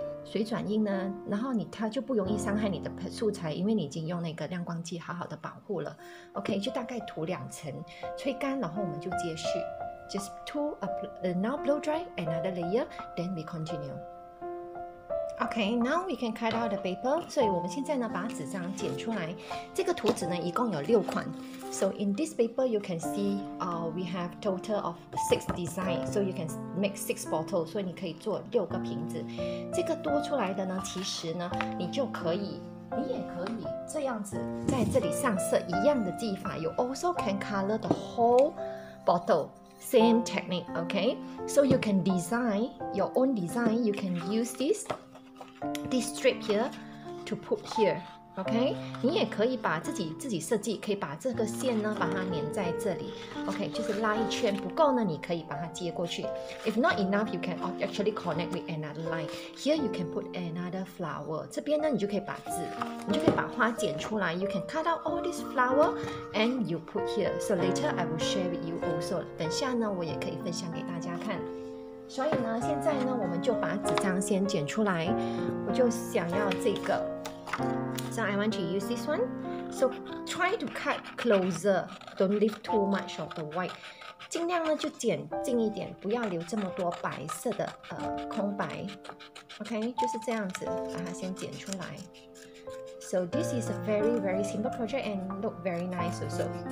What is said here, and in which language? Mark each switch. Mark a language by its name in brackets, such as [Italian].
[Chinese] 水转印呢然后它就不容易伤害你的素材因为你已经用那个亮光剂好好的保护了 OK 就大概涂两层吹干然后我们就接续 [English] Just two now blow dry another layer then we continueOkay, now we can cut out the paper. [Chinese] 所以我们现在呢把纸张剪出来。这个图纸呢一共有六款。 [English] So in this paper, you can see, we have total of 6 designs. So you can make 6 bottles. [Chinese] 所以你可以做六个瓶子。这个多出来的呢，其实呢，你就可以，你也可以这样子在这里上色一样的技法。 [English] You also can color the whole bottle. Same technique, okay? So you can design your own design. You can use this strip here to put here, okay? [Chinese] 你也可以把自己设计，可以把这个线呢把它粘在这里 okay? 就是拉一圈不够呢，你可以把它接过去。 [English] If not enough, you can actually connect with another line. Here you can put another flower. [Chinese] 这边呢，你就可以把纸，你就可以把花剪出来。 [English] You can cut out all this flower and you put here. So later I will share with you also. [Chinese] 等下呢，我也可以分享给大家看。所以呢，现在呢，我们就把纸张先剪出来。我就想要这个 [English] ，So I want to use this one. So try to cut closer. Don't leave too much of the white. [Chinese] 尽量呢就剪近一点，不要留这么多白色的空白。 OK， 就是这样子把它先剪出来。 [English] So this is a very very simple project and look very nice also.